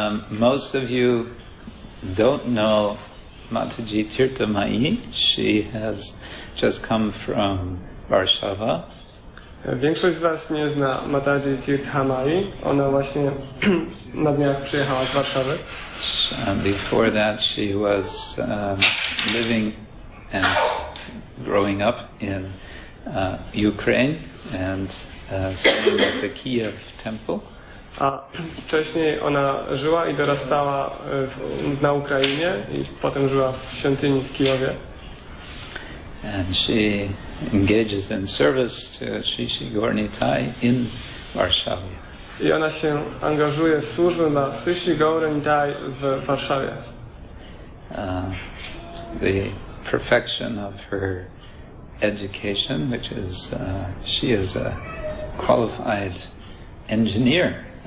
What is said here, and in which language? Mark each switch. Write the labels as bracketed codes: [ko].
[en] Most of you don't know Mataji Tirthamayi. She has just come from Warszawa. [pl] Większość z was nie zna Mataji Tirthamayi. Ona właśnie na dniach przyjechała z Warszawy. [en] Before that she was living and growing up in Ukraine and studying at the Kiev temple. [pl] A wcześniej ona żyła i dorastała na Ukrainie i potem żyła w świątyni w Kijowie. [en] And she engages in service to Shishi Gorni Thai in Warszawie. [pl] I ona się angażuje w służbę dla Shishi Gorni Thai w Warszawie. [en] The perfection of her education, which is she is a qualified engineer.